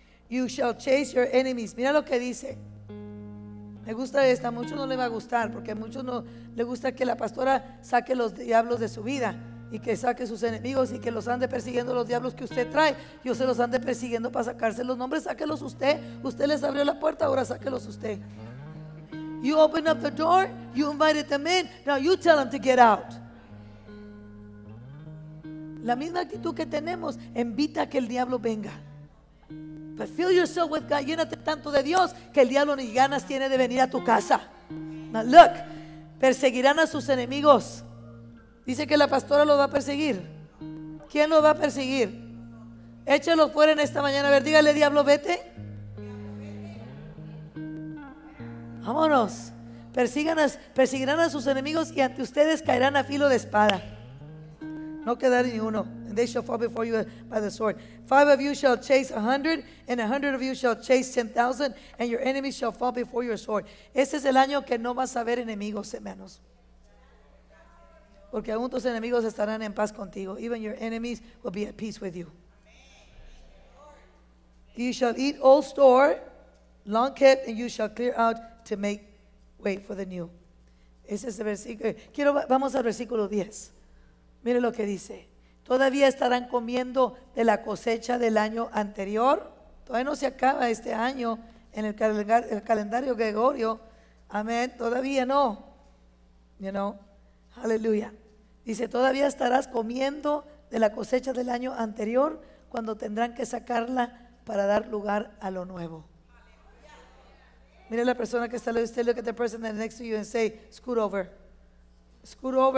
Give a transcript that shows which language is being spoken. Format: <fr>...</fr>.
<en>You shall chase your enemies.</en> <es>Mira lo que dice. Me gusta esta, a muchos no le va a gustar, porque a muchos no le gusta que la pastora saque los diablos de su vida y que saque sus enemigos y que los ande persiguiendo los diablos que usted trae. Yo se los ande persiguiendo para sacarse los nombres, sáquelos usted. Usted les abrió la puerta, ahora sáquelos usted.</es> <en>You open up the door, you invited them in, now you tell them to get out.</en> <es>La misma actitud que tenemos invita a que el diablo venga.</es> <en>But fill yourself with God.</en> <es>Llénate tanto de Dios que el diablo ni ganas tiene de venir a tu casa.</es> <en>Now look,</en> <es>perseguirán a sus enemigos. Dice que la pastora lo va a perseguir. ¿Quién lo va a perseguir? Échalo fuera en esta mañana. A ver, dígale, diablo, vete. Vámonos. Perseguirán a sus enemigos y ante ustedes caerán a filo de espada. No quedará ni uno.</es> <en>And they shall fall before you by the sword. 5 of you shall chase 100, and 100 of you shall chase 10,000, and your enemies shall fall before your sword.</en> <es>Este es el año que no vas a ver enemigos, hermanos. Porque aún tus enemigos estarán en paz contigo.</es> <en>Even your enemies will be at peace with you. You shall eat old store, long kept, and you shall clear out to make way for the new.</en> <es>Ese es el versículo. Vamos al versículo 10. Mire lo que dice. Todavía estarán comiendo de la cosecha del año anterior. Todavía no se acaba este año en el calendario Gregorio. Amén. Todavía no.</es> <en>You know.</en> <es>Aleluya. Dice, todavía estarás comiendo de la cosecha del año anterior cuando tendrán que sacarla para dar lugar a lo nuevo. Mire a la persona que está al lado de usted.</es> <en>Look at the person that's next to you and say, scoot over. Scoot over.</en>